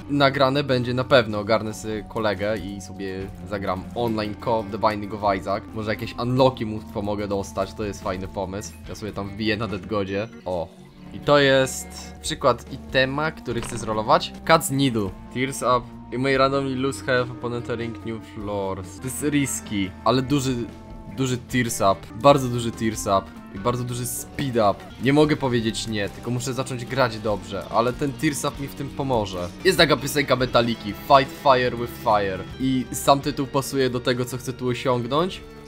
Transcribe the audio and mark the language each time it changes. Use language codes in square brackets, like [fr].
[pl] Nagrane będzie na pewno, ogarnę sobie kolegę i sobie zagram online koop The Binding of Isaac. Może jakieś unlocki mu pomogę dostać, to jest fajny pomysł. Ja sobie tam wbiję na deadgodzie. O, i to jest przykład itema, który chcę zrolować. [en] Cut's Needle, Tears Up. I may randomly lose health upon entering new floors. [pl] To jest risky, ale duży tears up. Bardzo duży tears up i bardzo duży speed up. Nie mogę powiedzieć nie, tylko muszę zacząć grać dobrze. Ale ten tears up mi w tym pomoże. Jest taka piosenka Metaliki, Fight Fire with Fire. I sam tytuł pasuje do tego, co chcę tu osiągnąć.